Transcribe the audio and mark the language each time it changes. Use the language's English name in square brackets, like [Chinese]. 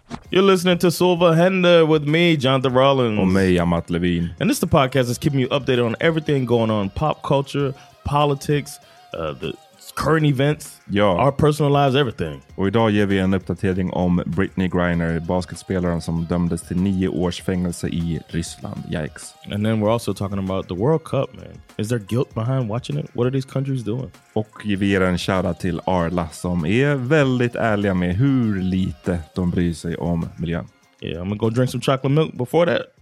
[English] You're listening to Sova Henda with me, Jonathan Rollins. Oh, me, I'm Matt Levine. And this is the podcast that's keeping you updated on everything going on, pop culture, politics, the current events, [Swedish] ja. [English] Our personal lives, everything. [Swedish] Och idag ger vi en uppdatering om Brittney Griner, basketspelaren som dömdes till 9 års fängelse i Ryssland. [English] Yikes. And then we're also talking about the World Cup, man. Is there guilt behind watching it? What are these countries doing? [Swedish] Och vi ger en shoutout till Arla som är väldigt ärliga med hur lite de bryr sig om miljön. [English] Yeah, I'm gonna go drink some chocolate milk before that.